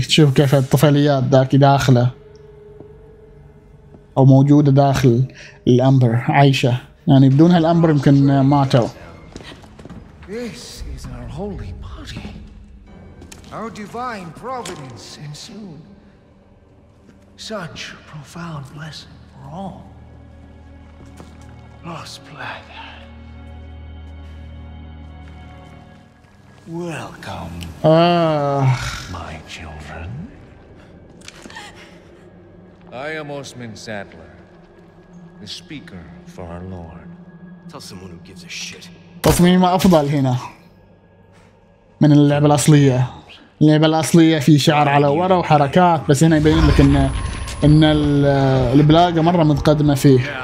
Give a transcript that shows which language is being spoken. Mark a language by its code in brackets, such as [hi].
[ar] تشوف كيف الطفليات ذاك داخلة أو موجودة داخل الأمبر عايشة. يعني بدون هالأمبر يمكن ماتوا. [en] This is our holy body. Our divine providence and soon such a profound blessing for all. Los Plata. Welcome, my children. I am Osman Sadler, the speaker for our Lord. Tell someone who gives a shit. [ar] تصميم أفضل هنا من اللعبة الأصلية. اللعبة الأصلية في شعر على ورا وحركات، بس هنا يبين لك إن البلاقة مرة متقدمة فيه.